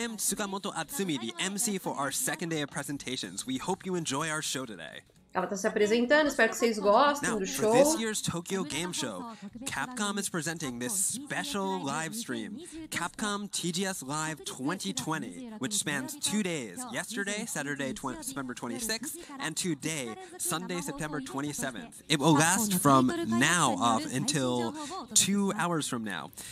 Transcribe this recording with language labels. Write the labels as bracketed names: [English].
[English] am Tsukamoto Atsumi, the MC for our second day of presentations. We hope you enjoy our show today. [Portuguese] Ela está se apresentando, espero que vocês gostem [English] Now, [Portuguese] do show. [English] For this year's Tokyo Game Show, Capcom is presenting this special live stream, Capcom TGS Live 2020, which spans 2 days, yesterday, Saturday, September 26th, and today, Sunday, September 27th. It will last from now up until 2 hours from now.